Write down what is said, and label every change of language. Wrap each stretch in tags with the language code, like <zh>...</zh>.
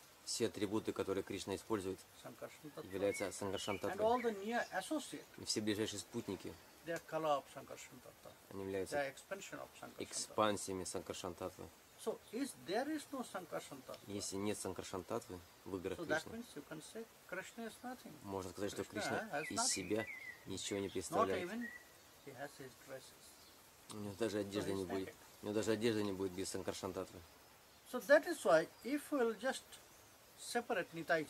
<ru>Все атрибуты, которые Кришна использует, являются Санкаршантаттвой.</ru> <en>And all the near associates.</en> <ru>Все ближайшие спутники.</ru> <en>They are kala of Sankarshantattva.</en> <ru>Они являются</ru> <en>expansion of Sankarshantattva.</en> <ru>Экспансиями Санкаршантаттвы.</ru> <en>So if there is no Sankarshantattva.</en> <ru>Если нет Санкаршантаттвы в играх</ru> <en>Кришны. So that means you can say Krishna is nothing.</en> <ru>Можно сказать, что Кришна из себя ничего не представляет.</ru> <en>Not even he has his dresses.</en> <ru>У него даже одежды не будет. У него даже одежды не будет без Санкаршантаттвы.</ru> <en>So that is why if we'll just separate Nitai Chanda.</en>